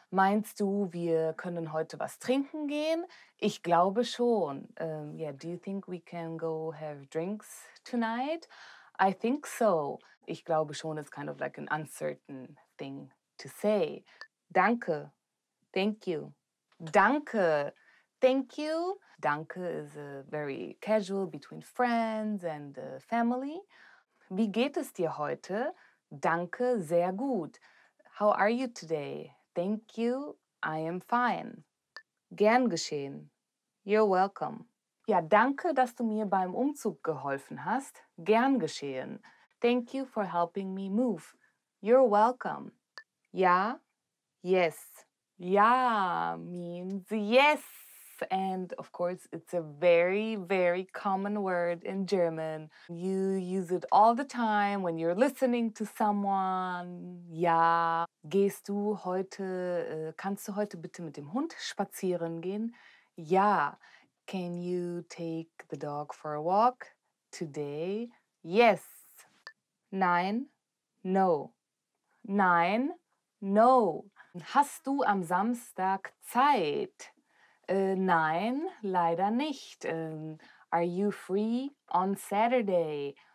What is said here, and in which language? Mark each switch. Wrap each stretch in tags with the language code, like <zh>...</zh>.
<de>Meinst du, wir können heute was trinken gehen? Ich glaube schon.</de> <en>Yeah, do you think we can go have drinks tonight? I think so.</en> <de>Ich glaube schon</de> <en>is kind of like an uncertain thing to say.</en> <de>Danke.</de> <en>Thank you. Danke. Thank you. Danke is very casual between friends and family.</en> <de>Wie geht es dir heute? Danke, sehr gut.</de> <en>How are you today? Thank you. I am fine.</en> <de>Gern geschehen.</de> <en>You're welcome.</en> <de>Ja, danke, dass du mir beim Umzug geholfen hast. Gern geschehen.</de> <en>Thank you for helping me move. You're welcome. Ja, yes. Ja means yes. And of course, it's a very, very common word in German. You use it all the time when you're listening to someone.</en> <de>Ja, gehst du heute, kannst du heute bitte mit dem Hund spazieren gehen?</de> <en>Ja, can you take the dog for a walk today? Yes. Nein, no.</en> <de>Nein, no. Hast du am Samstag Zeit? Nein, leider nicht.</de> <en>Are you free on Saturday?</en>